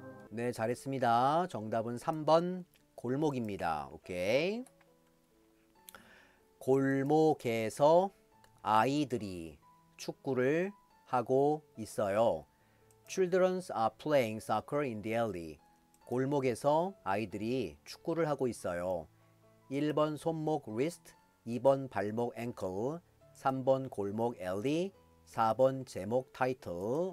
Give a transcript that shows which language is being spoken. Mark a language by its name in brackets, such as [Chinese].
[Korean] 네, 잘했습니다. 정답은 3번 골목입니다. 오케이. 골목에서 아이들이 축구를 하고 있어요. [English] Children's are playing soccer in the alley. [Korean] 골목에서 아이들이 축구를 하고 있어요. 1번 손목 wrist, 2번 발목 ankle, 3번 골목 alley, 4번 제목 title.